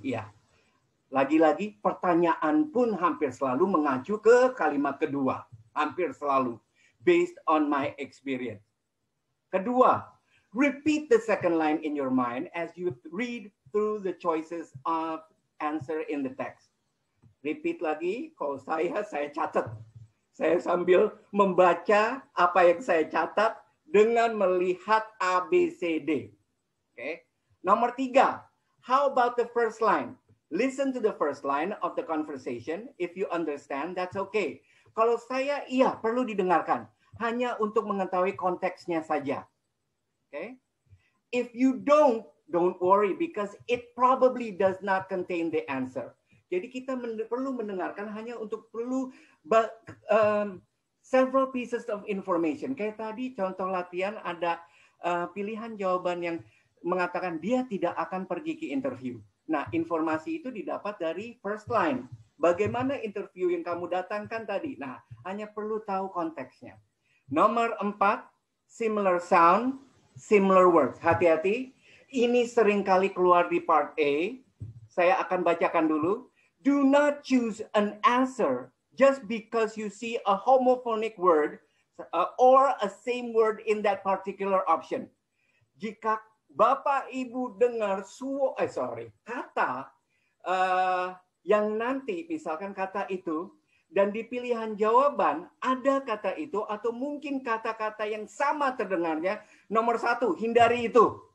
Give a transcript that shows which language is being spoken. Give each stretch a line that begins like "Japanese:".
Indonesian: Iya. Lagi-lagi, pertanyaan pun hampir selalu mengacu ke kalimat kedua. Hampir selalu.
English: Based on my experience. Kedua, repeat the second line in your mind as you read through the choices of answer in the text.
Indonesian: Repeat lagi, kalau saya catat. Saya sambil membaca apa yang saya catat dengan melihat A, B, C, D.
English: Oke. Okay.
Indonesian: Nomor 3.
English: How about the first line? Listen to the first line of the conversation. If you understand, that's okay.
Indonesian: Kalau saya, iya, perlu didengarkan. Hanya untuk mengetahui konteksnya saja. Oke. Okay.
English: If you don't worry because it probably does not contain the answer.
Indonesian: Jadi kita perlu mendengarkan hanya untuk perlu
English: several pieces of information.
Indonesian: Kayak tadi contoh latihan ada pilihan jawaban yang mengatakan dia tidak akan pergi ke interview. Nah, informasi itu didapat dari
English: first line.
Indonesian: Bagaimana interview yang kamu datangkan tadi? Nah, hanya perlu tahu konteksnya. Nomor 4,
English: similar sound, similar words.
Indonesian: Hati-hati, ini seringkali keluar di part A. Saya akan bacakan dulu.
English: Do not choose an answer just because you see a homophonic word or a same word in that particular option.
Indonesian: Jika Bapak Ibu dengar kata yang nanti, misalkan kata itu, dan di pilihan jawaban ada kata itu atau mungkin kata-kata yang sama terdengarnya, nomor satu, hindari itu.